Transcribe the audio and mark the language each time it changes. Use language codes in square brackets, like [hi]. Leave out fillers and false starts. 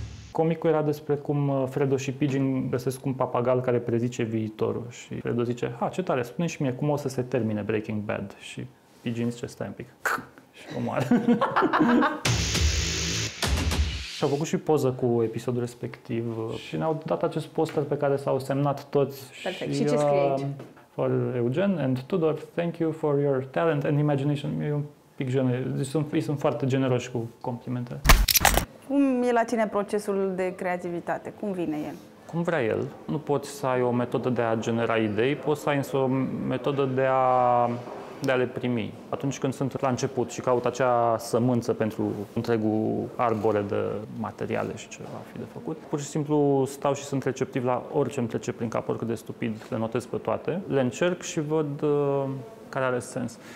[ro] Comicul era despre cum Fredo și Pigeon găsesc un papagal care prezice viitorul și Fredo zice, ha, ce tare, spune și mie cum o să se termine Breaking Bad și Pigeon zice, stai un pic, și omoară. Și-au făcut și poză cu episodul respectiv și ne-au dat acest poster pe care s-au semnat toți. Perfect. Și ce scrie aici? [en] for Eugen and Tudor, thank you for your talent and imagination. [ro] E un pic generos, sunt foarte generoși cu complimentele. Cum e la tine procesul de creativitate? Cum vine el? Cum vrea el. Nu poți să ai o metodă de a genera idei, poți să ai însă o metodă de a le primi. Atunci când sunt la început și caut acea sămânță pentru întregul arbore de materiale și ce va fi de făcut, pur și simplu stau și sunt receptiv la orice îmi trece prin cap, oricât de stupid, le notez pe toate, le încerc și văd care are sens.